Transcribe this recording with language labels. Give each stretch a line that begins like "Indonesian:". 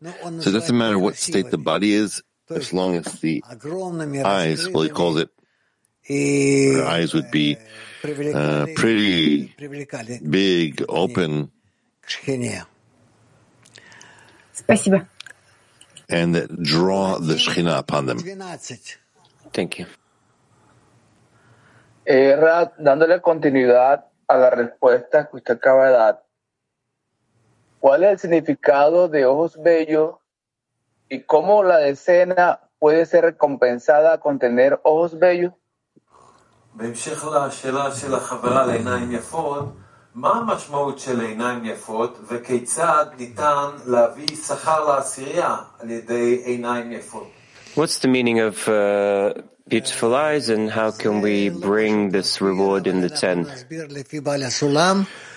English: So it doesn't matter what state the body is, as long as the eyes, well, he calls it, their eyes would be pretty big, open.
Russian: Спасибо.
English: And that draw the Shekhinah upon them. Thank you.
Spanish: Era dándole continuidad a la respuesta que usted acaba de dar. ¿Cuál es el significado de ojos bellos y cómo la decena puede ser recompensada con tener ojos bellos?
English: What's the meaning of beautiful eyes, and how can we bring this reward in the tenth?